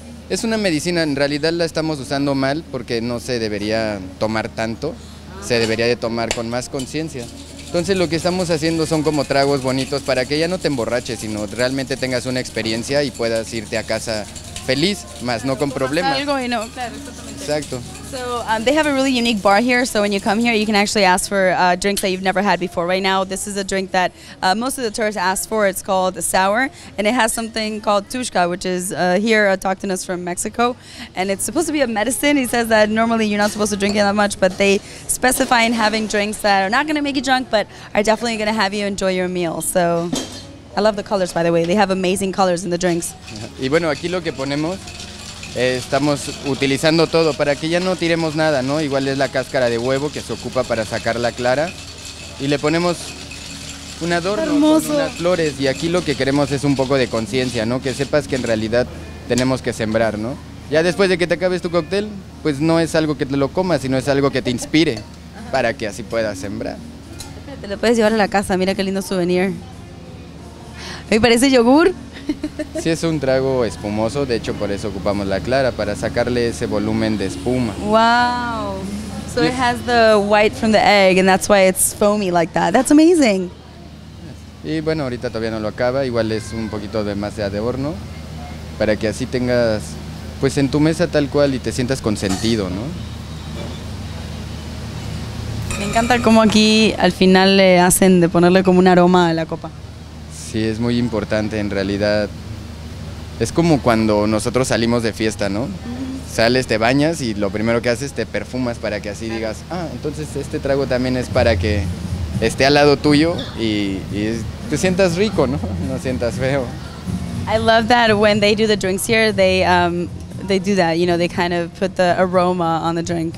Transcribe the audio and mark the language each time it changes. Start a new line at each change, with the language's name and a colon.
Spanish: Es una medicina, en realidad la estamos usando mal porque no se debería tomar tanto. Se debería de tomar con más conciencia. Entonces lo que estamos haciendo son como tragos bonitos para que ya no te emborraches, sino realmente tengas una experiencia y puedas irte a casa feliz, más no con problemas. Algo y no, claro, exacto.
English: So they have a really unique bar here, so when you come here you can actually ask for drinks that you've never had before. Right now this is a drink that most of the tourists ask for. It's called sour, and it has something called tushka, which is here talked to us from Mexico, and it's supposed to be a medicine. He says that normally you're not supposed to drink it that much, but they specify in having drinks that are not going to make you drunk but are definitely going to have you enjoy your meal. So I love the colors, by the way. They have amazing colors in the drinks.
Spanish: Y bueno, aquí lo que ponemos, estamos utilizando todo para que ya no tiremos nada, ¿no? Igual es la cáscara de huevo que se ocupa para sacar la clara. Y le ponemos un adorno hermoso, con unas flores. Y aquí lo que queremos es un poco de conciencia, ¿no? Que sepas que en realidad tenemos que sembrar, ¿no? Ya después de que te acabes tu cóctel, pues no es algo que te lo comas, sino es algo que te inspire para que así puedas sembrar. Te lo puedes llevar a la casa, mira qué lindo souvenir. Me parece yogur. Sí, es un trago espumoso, de hecho por eso ocupamos la clara, para sacarle ese volumen de espuma.
English: Wow. So it has the white from the egg and that's why it's foamy like that. That's amazing.
Spanish: Y bueno, ahorita todavía no lo acaba, igual es un poquito de más de horno para que así tengas pues en tu mesa tal cual y te sientas consentido, ¿no? Me encanta cómo aquí al final le hacen de ponerle como un aroma a la copa. Sí, es muy importante en realidad. Es como cuando nosotros salimos de fiesta, ¿no? Uh-huh. Sales, te bañas y lo primero que haces te perfumas para que así digas, ah, entonces este trago también es para que esté al lado tuyo y te sientas rico, ¿no? No sientas feo.
English: I love that when they do the drinks here, they do that, you know, they kind of put the aroma on the drink.